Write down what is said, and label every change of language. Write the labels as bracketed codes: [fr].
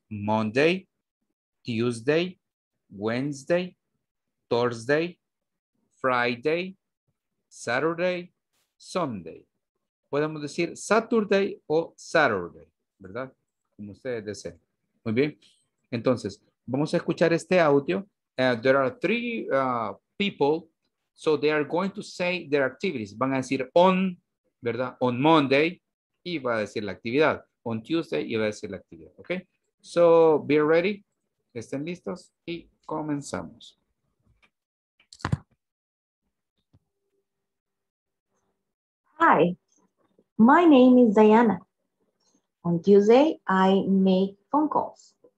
[en] Monday, Tuesday, Wednesday, Thursday, Friday, Saturday, Sunday. [es] Podemos decir Saturday o Saturday, ¿verdad? Como ustedes deseen. Muy bien, entonces vamos a escuchar este audio. [en] There are three people, so they are going to say their activities. [es] Van a decir on, ¿verdad? [en] On Monday [es] y va a decir la actividad. [en] On Tuesday [es] y va a decir la actividad. [en] Ok. So, be ready. [es] Estén listos y comenzamos. [en] Hi. My name is Diana. On Tuesday, I make phone calls.